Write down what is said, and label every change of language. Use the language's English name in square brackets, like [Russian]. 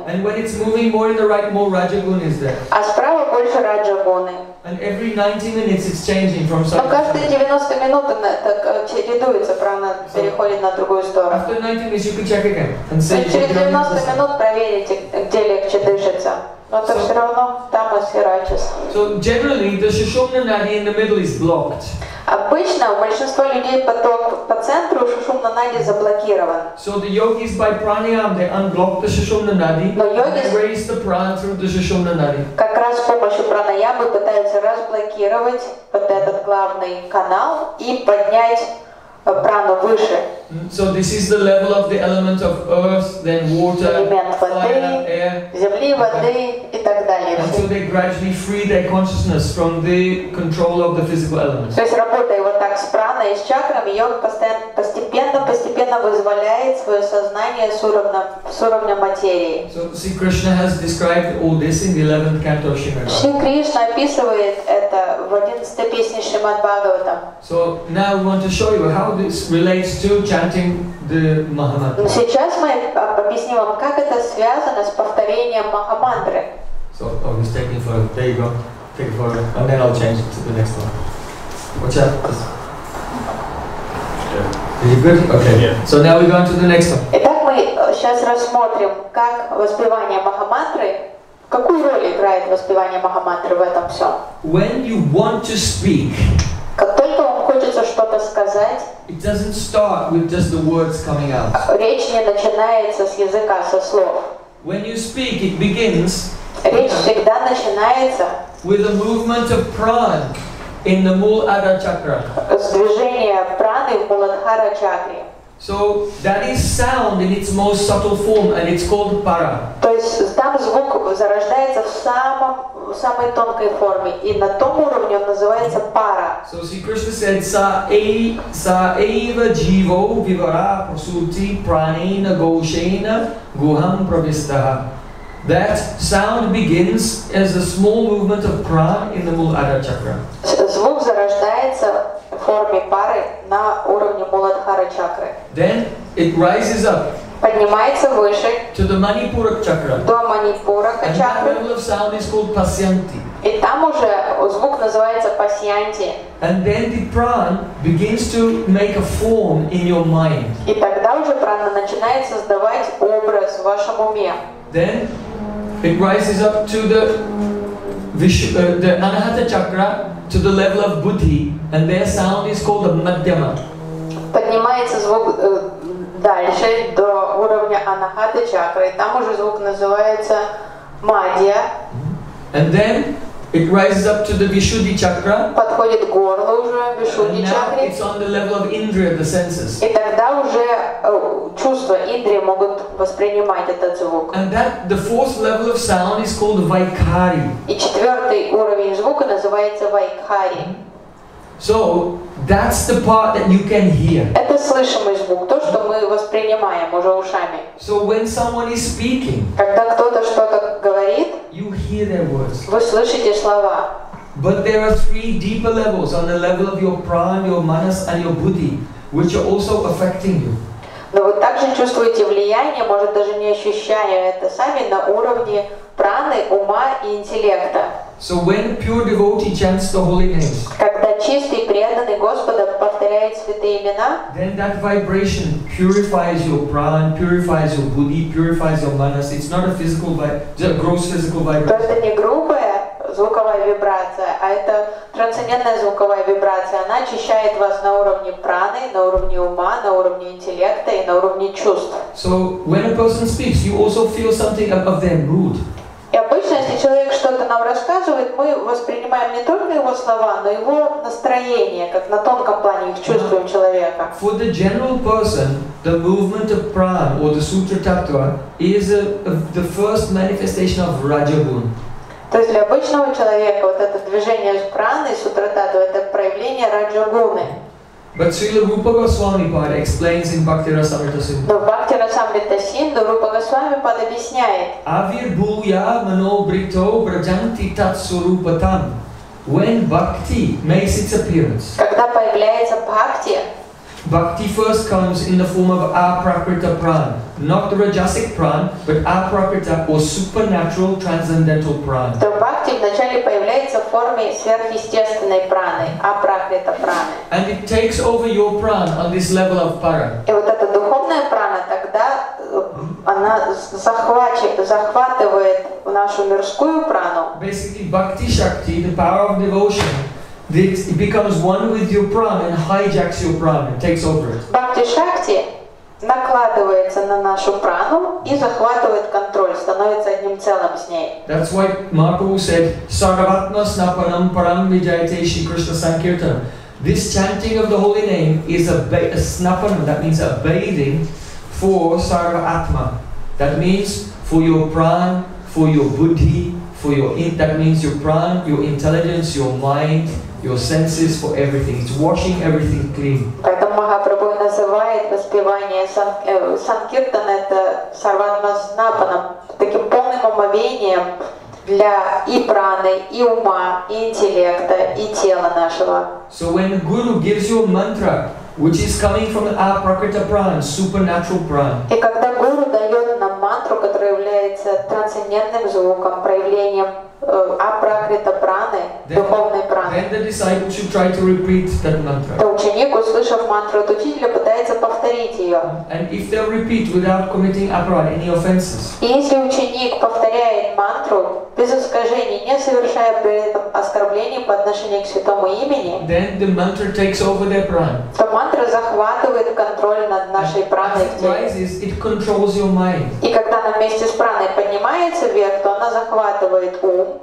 [English] And when it's moving more in the right, more rajaguna is there. [Russian] А справа больше раджагуны. [English] And every 90 minutes it's changing from side. [Russian] Но каждые 90 минут так чередуется прана переходит на другую сторону. [English] After 90 minutes you can check again and say. [Russian] Через 90 минут проверите, где легче дышится. [English] So generally, the Shushumna Nadi in the middle is blocked. [Russian] Обычно у большинства людей поток по центру Шушумна Нади заблокирован. [English] So the yogis by pranayam they unblock the Shushumna Nadi. [Russian] Но йоги [English] raise the prana through the Shushumna Nadi. [Russian] Как раз с помощью пранаямы пытаются разблокировать вот этот главный канал и поднять прану выше. [English] So this is the level of the element of earth, then water, [Russian] воды, [English] fire, air. [Russian] Земли, воды и так далее. [English] Until they gradually free their consciousness from the control of the physical elements. [Russian] То есть работая вот так с праной, с чакрами, йога постепенно вызволяет свое сознание с уровня материи. [English] So Sri Krishna has described all this in the 11th canto of Srimad Bhagavatam. [Russian] Sri Krishna описывает это в 11th песне Srimad Bhagavatam. [English] So now we want to show you how this relates to chanting the Mahamantra. [Russian] Сейчас мы объясним вам, как это связано с повторением Махамантры. [English] So, oh, he's taking for it. There you go. Take it for it. And then I'll change it to the next one. Watch out. Is it good? Okay. Yeah. So now we go on to the next one. [Russian] Итак, мы сейчас рассмотрим, как воспевание Махамантры, какую роль играет воспевание Махамантры в этом всем. [English] When you want to speak, [Russian] как только вам хочется что-то сказать, [English] it doesn't start with just the words coming out. [Russian] Речь не начинается с языка, со слов. [English] When you speak, it begins. [Russian] Речь всегда начинается [English] with a movement of prana in the Mooladhara chakra. [Russian] С движения праны в Мooladhara чакре. [English] So that is sound in its most subtle form, and it's called para. [Russian] То есть там звук зарождается в самой тонкой форме, и на том уровне он называется para. [English] So Sri Krishna said, [Sanskrit] sa eva jivo vivara prasuti pranena gosheena guham pravistaha. [English] That sound begins as a small movement of prana in the Mooladhara chakra. [Russian] Звук зарождается в форме пары на уровне Мooladhara чакры. [English] Then it rises up [Russian] поднимается выше, [English] to the Manipura chakra. [Russian] До Манипурака чакры. [English] And the level of sound is called Pasyanti. [Russian] И там уже звук называется Пасьянти. [English] And then the prana begins to make a form in your mind. [Russian] И тогда уже прана начинает создавать образ в вашем уме. [English] Then it rises up to the the Anahata chakra, to the level of Buddhi, and their sound is called the Madhyama. [Russian] Поднимается звук дальше до уровня Анахаты чакры, там уже звук называется Мадья. [English] And then it rises up to the Вишудхи chakra. [Russian] Подходит горло уже Вишудхи чакре. [English] It's on the level of Индрия, the senses. [Russian] И тогда уже чувства Индрия могут воспринимать этот звук. [English] And that the fourth level of sound is called Вайкари. [Russian] И четвертый уровень звука называется Вайкари. [English] So that's the part that you can hear. [Russian] Это слышимый звук, то, что мы воспринимаем уже ушами. [English] So when someone is speaking, [Russian] когда кто-то что-то говорит, [English] you hear their words. [Russian] Вы слышите слова. [English] But there are three deeper levels on the level of your prana, your manas, and your buddhi, which are also affecting you. [Russian] Но вы также чувствуете влияние, может даже не ощущая это сами, на уровне праны, ума и интеллекта. [English] So when pure devotee chants the holy names, [Russian] когда чистый преданный Господа повторяет святые имена, [English] then that vibration purifies your prana, purifies your buddhi, purifies your manas. It's not a physical vibration, it's a gross physical vibration. [Russian] То есть это не грубая звуковая вибрация, а это трансцендентная звуковая вибрация. Она очищает вас на уровне праны, на уровне ума, на уровне интеллекта и на уровне чувств. [English] So when a person speaks, you also feel something of their mood. [Russian] И обычно, если человек что-то нам рассказывает, мы воспринимаем не только его слова, но его настроение, как на тонком плане их чувствуем человека. [English] For the general person, the movement of prana or the sutra tattva is the first manifestation of rajagun. [Russian] То есть для обычного человека вот это движение праны, сутра тату, это проявление раджагуны. [English] But Srila Rupa Goswami Pada explains in Bhaktirasamrita Sindhu. [Russian] Но Bhaktirasamrita Sindhu Rupa Goswami Pada объясняет. [Sanskrit] Avir bhuya mano brito brajanti tat surupatam. [English] When bhakti makes its appearance. [Russian] Когда появляется бхакти. [English] Bhakti first comes in the form of aprakrita prana, not the rajasic prana, but aprakrita or supernatural transcendental prana. [Russian] То бхакти вначале появляется в форме сверхъестественной праны, апракрита праны. [English] And it takes over your prana on this level of para. [Russian] И вот эта духовная прана тогда она захватывает нашу мирскую прану. [English] Basically, bhakti shakti, the power of devotion. It becomes one with your prana and hijacks your prana and takes over it. [Russian] Бхакти шакти накладывается на нашу прану и захватывает контроль, становится одним целым с ней. [English] That's why Mahaprabhu said, [Sanskrit] Sarvatma snapanam param vijayate shri Krishna sankirtanam. [English] This chanting of the holy name is a snapanam, that means a bathing for sarvatma. That means for your prana, for your buddhi, for your that means your prana, your intelligence, your mind, your senses, for everything. It's washing everything clean. [Russian] Поэтому Махапрабху называет воспевание санкиртана это сарватма снапанам, таким полным омовением для и праны, и ума, и интеллекта, и тела нашего. [English] So when the guru gives you a mantra, which is coming from the aprakrita prana, supernatural prana. [Russian] И когда гуру дает нам мантру, которая является трансцендентным звуком, проявлением апракрита праны, духовной праны. [English] Then the disciple should try to repeat that mantra. [Russian] То ученик, услышав мантру от учителя, пытается повторить ее. [English] And if they repeat without committing apara, any offenses. [Russian] И если ученик повторяет мантру без искажений, не совершая при этом оскорблений по отношению к святому имени. [English] Then the mantra takes over their prana. [Russian] То мантра захватывает контроль над нашей праной. [English] And as it rises, it controls your mind. [Russian] И когда она вместе с праной поднимается вверх, то она захватывает ум.